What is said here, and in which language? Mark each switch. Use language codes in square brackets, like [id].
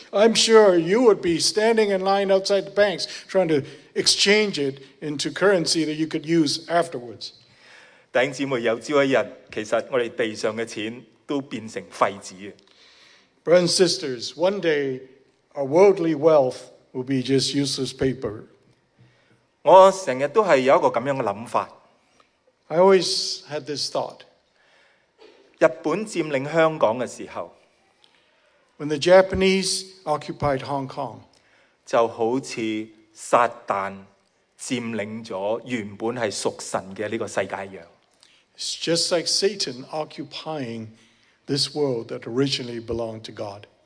[en] I'm sure you would be standing in line outside the banks trying to exchange it into currency that you could use afterwards. [zh] 弟兄姊妹，有朝一日，其实我们地上的钱都变成废纸。 [en] Brothers and sisters, one day our worldly wealth will be just useless paper. [zh] 我经常都是有一个这样的想法。 [en] I always had this thought. [zh] 日本占领香港的时候, [en] when the Japanese occupied Hong Kong, [zh] 就好像撒旦占领了原本是属神的这个世界一样。 [en] It's just like Satan occupying this world that originally belonged to God.